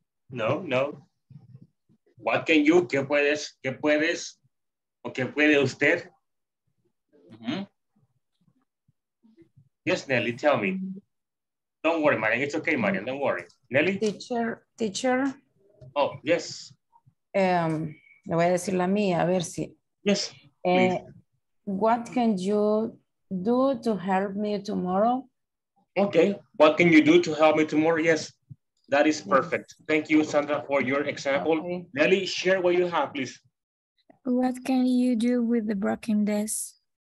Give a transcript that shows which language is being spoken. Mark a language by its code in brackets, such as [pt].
[es] No. [en] What can you, [es] que puedes, o que puede usted? Mm-hmm. [en] Yes, Nelly, tell me. Don't worry, Marian, it's okay, Marian, don't worry. Nelly? Teacher. Oh, yes. [es] Le voy a decir la mía, a ver si. [en] Yes, what can you do to help me tomorrow? Okay, what can you do to help me tomorrow? Yes, that is perfect. Thank you, Sandra, for your example. Okay. Nelly, share what you have, please. What can you do with the broken desk?